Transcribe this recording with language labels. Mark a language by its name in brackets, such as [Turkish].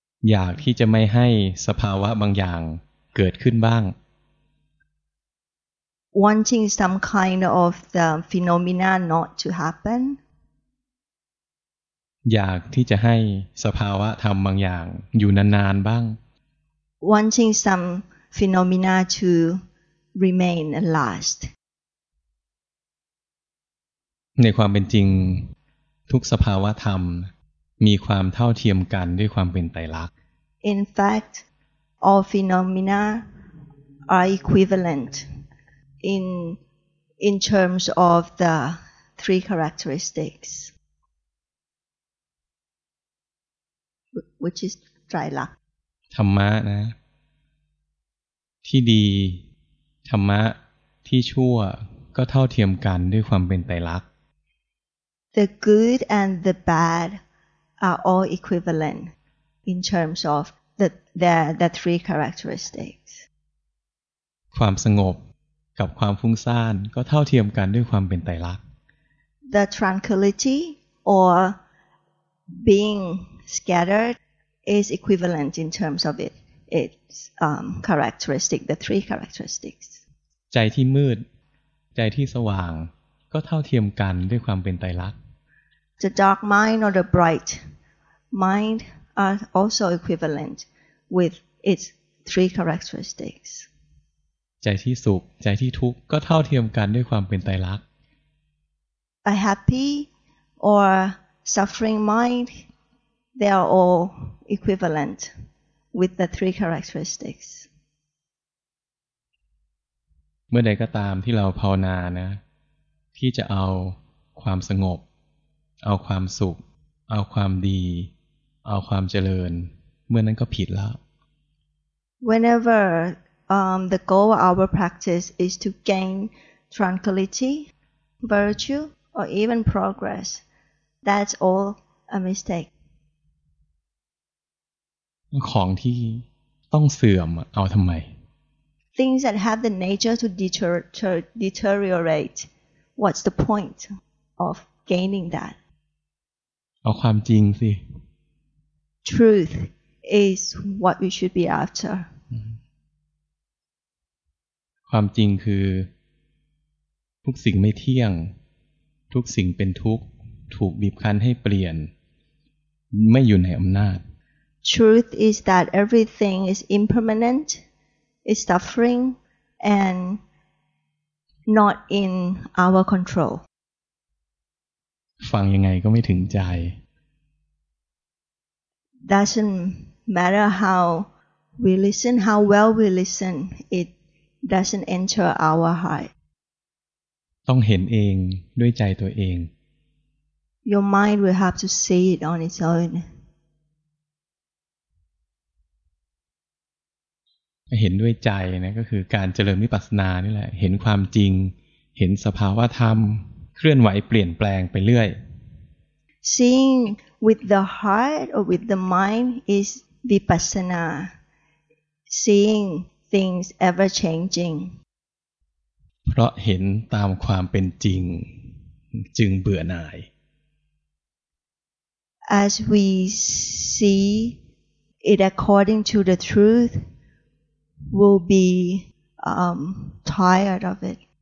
[Thai] อยากที่จะไม่ให้สภาวะบางอย่างเกิดขึ้นบ้าง [English] wanting some kind of the phenomena not to happen [Thai] อยากที่จะให้สภาวะธรรมบางอย่างอยู่นานๆบ้าง [English] wanting some phenomena to remain and last [Thai] ในความเป็นจริงทุกสภาวะธรรมมีความเท่าเทียมกันด้วยความเป็นไตรลักษณ์ [English] in fact all phenomena are equivalentin terms of the three characteristics which is trilak [Thai] ธรรมะนะที่ดีธรรมะที่ชั่วก็เท่าเทียมกันด้วยความเป็นไตรลักษณ์ [English] the good and the bad are all equivalent in terms of the three characteristics [Thai] ความสงบกับความฟุ้งซ่านก็เท่าเทียมกันด้วยความเป็นไตรลักษณ์ [English] The tranquility or being scattered is equivalent in terms of its characteristic the three characteristics [Thai] ใจที่มืดใจที่สว่างก็เท่าเทียมกันด้วยความเป็นไตรลักษณ์ [English] The dark mind or the bright mind are also equivalent with its three characteristics. [Thai] ใจที่สุขใจที่ทุกข์ก็เท่าเทียมกันด้วยความเป็นไตรลักษณ์ [English] A happy or suffering mind, they are all equivalent with the three characteristics. [Thai] เมื่อใดก็ตามที่เราภาวนานะที่จะเอาความสงบเอาความสุขเอาความดีเอาความเจริญเมื่อนั้นก็ผิดแล้ว [English] Whenever the goal of our practice is to gain tranquility, virtue, or even progress, that's all a mistake. [Thai] ของที่ต้องเสื่อมเอาทำไม [English] Things that have the nature to deteriorate, what's the point of gaining that? [Thai] เอาความจริงสิ [English] Truth is what you should be after. [Thai] ความจริงคือทุกสิ่งไม่เที่ยงทุกสิ่งเป็นทุกข์ถูกบีบคั้นให้เปลี่ยนไม่อยู่ในอำนาจ [English] Truth is that everything is impermanent, is suffering, and not in our control. [Thai] ฟังยังไงก็ไม่ถึงใจ [English] Doesn't matter how we listen, how well we listen, it doesn't enter our heart. [Thai] ต้องเห็นเองด้วยใจตัวเอง [English] Your mind will have to see it on its own. [Thai] เห็นด้วยใจนะก็คือการเจริญวิปัสสนานี่แหละเห็นความจริงเห็นสภาวะธรรมเคลื่อนไหวเปลี่ยนแปลงไปเรื่อย [English] Seeing with the heart or with the mind is vipassana. Seeing things ever changing. [Thai] เพราะเห็นตามความเป็นจริงจึงเบื่อหน่าย [English] As we see it according to the truth, we'll be tired of it.